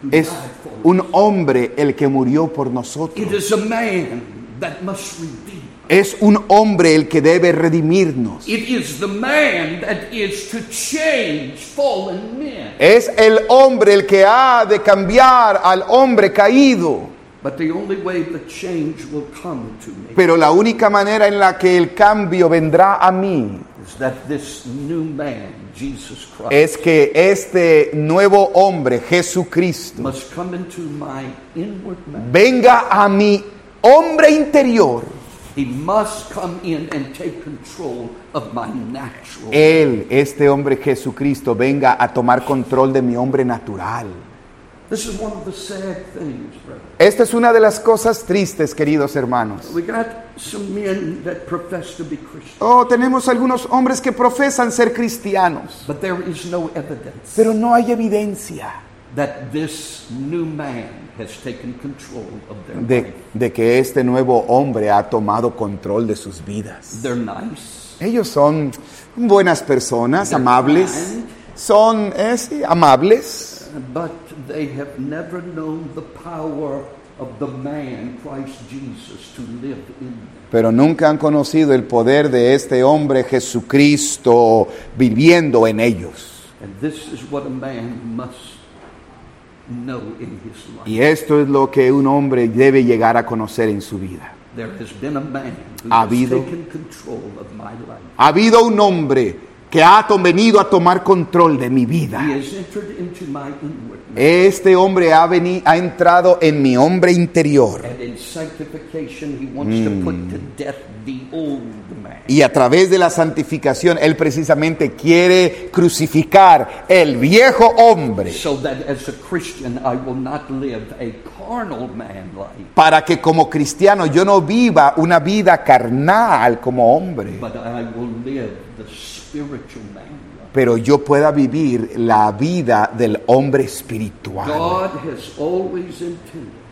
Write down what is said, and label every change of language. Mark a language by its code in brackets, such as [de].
[es] Es un hombre el que murió por nosotros. [en] It is a man that must redeem. [es] Es un hombre el que debe redimirnos. [en] It is the man that is to change fallen men. [es] Es el hombre el que ha de cambiar al hombre caído. [en] But the only way the change will come to me. [es] Pero la única manera en la que el cambio vendrá a mí [en] is that this new man, Jesus Christ, [es] es que este nuevo hombre, Jesucristo, [en] must come into my inward man. [es] Venga a mi hombre interior. [en] He must come in and take control of my natural. [es] Él, este hombre Jesucristo, venga a tomar control de mi hombre natural. [en] This is one of the sad things, brother. [es] Esta es una de las cosas tristes, queridos hermanos. [en] We got some men that profess to be Christians. [es] Oh, tenemos algunos hombres que profesan ser cristianos. [en] But there is no evidence. [es] Pero no hay evidencia. [en] That this new man has taken control of their life. [es] De que este nuevo hombre ha tomado control de sus vidas. [en] They're nice. [es] Ellos son buenas personas, [en] they're [es] amables. [en] Kind. [es] Son sí, amables. [en] But they have never known the power of the man Christ Jesus to live in them. [es] Pero nunca han conocido el poder de este hombre Jesucristo viviendo en ellos. [en] And this is what a man must know in his life. [es] Y esto es lo que un hombre debe llegar a conocer en su vida. [en] There has been a man who has taken control of my life. [es] Ha habido un hombre que ha venido a tomar control de mi vida. [en] He has entered into my inward man. [es] Este hombre ha entrado en mi hombre interior. [en] And in sanctification he wants to put to death the old man. [es] Y a través de la santificación él precisamente quiere crucificar el viejo hombre. [en] So that as a Christian I will not live a carnal man life. [es] Para que como cristiano yo no viva una vida carnal como hombre. [en] But I will live the spiritual man life. [es] Pero yo pueda vivir la vida del hombre espiritual. [en] God has always intended.